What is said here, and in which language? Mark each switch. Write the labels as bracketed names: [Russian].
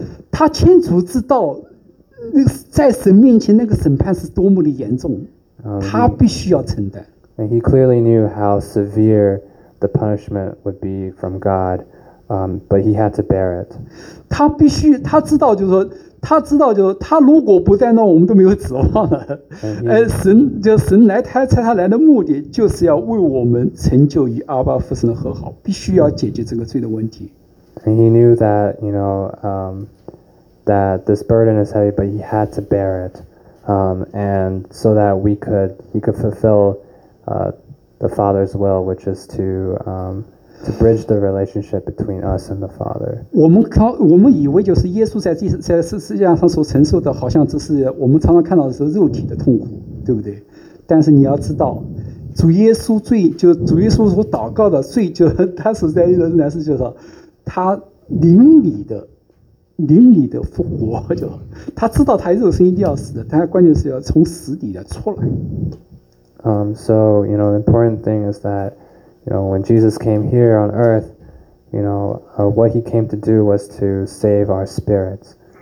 [Chinese] 他清楚知道，在神面前那个审判是多么的严重，他必须要承担。 [English] And he clearly knew how severe the punishment would be from God, but he had to bear it. [Chinese] 他必须，他知道，就是说，他知道，就是他如果不在那，我们都没有指望了。神就神来，他差他来的目的就是要为我们成就与阿爸父神的和好，必须要解决这个罪的问题。 [English] And he knew that, you know, that this burden is heavy, but he had to bear it, and so that he could fulfill, the Father's will, which is to bridge the relationship between us and the Father. [Chinese] 我们以为就是耶稣在世界上所承受的，好像只是我们常常看到的是肉体的痛苦，对不对？但是你要知道，主耶稣所祷告的罪，就他实在的乃是就是说。他灵里的复活，就他知道他肉身一定要死的，但关键是要从死里来出来。 [English] So you know, the important thing is that, you know, when Jesus came here on earth, you know, what he came to do was to save our spirits.